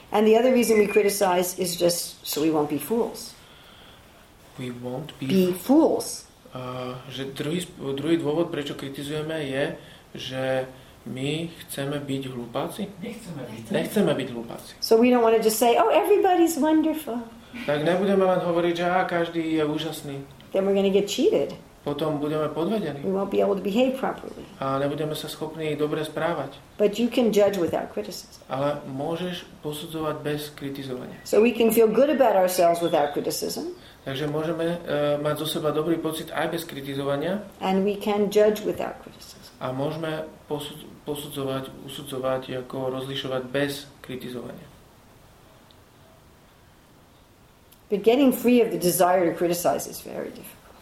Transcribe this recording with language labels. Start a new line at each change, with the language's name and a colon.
English: And the other reason we criticize is just so we won't be fools. We won't be, fools.
Slovak: Že druhý dôvod, prečo kritizujeme, je, že my chceme byť hlupáci. Nechceme byť hlupáci.
English: So we don't want to just say, oh, everybody's wonderful.
Slovak: Tak nebudeme len hovoriť, že každý je úžasný.
English: Then we're going to get cheated.
Slovak: Potom budeme podvedení.
English: We won't be able to behave properly.
Slovak: A nebudeme sa schopní dobre správať.
English: But you can judge without criticism.
Slovak: Ale môžeš posudzovať bez kritizovania.
English: So we can feel good about ourselves without criticism.
Slovak: Takže môžeme mať zo seba dobrý pocit aj bez kritizovania.
English: And we can judge without criticism.
Slovak: A môžeme posudzovať, usudzovať, ako rozlišovať bez kritizovania.
English: But getting free of the desire to criticize is very difficult.